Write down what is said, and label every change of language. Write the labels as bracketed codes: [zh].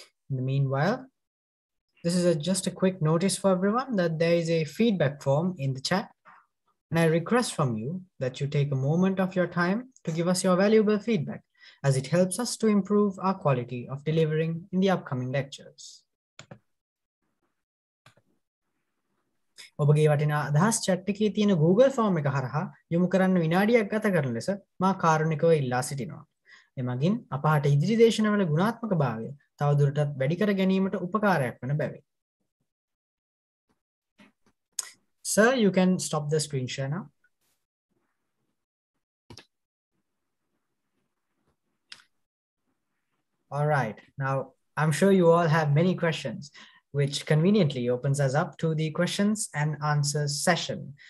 [en] In the meanwhile, this is just a quick notice for everyone that there is a feedback form in the chat. And I request from you that you take a moment of your time to give us your valuable feedback, as it helps us to improve our quality of delivering in the upcoming lectures. [si] ඔබගේ වටිනා අදහස් chat එකේ තියෙන Google form එක හරහා යොමු කරන්න විනාඩියක් ගත කරන ලෙස මා කාරුණිකව ඉල්ලා සිටිනවා. එමගින් අපහට ඉදිරි දේශනවල ගුණාත්මකභාවය තවදුරටත් වැඩි කර ගැනීමට උපකාරයක් වන බැවින්. [en] Sir, you can stop the screen share now. All right. Now, I'm sure you all have many questions, which conveniently opens us up to the questions and answers session.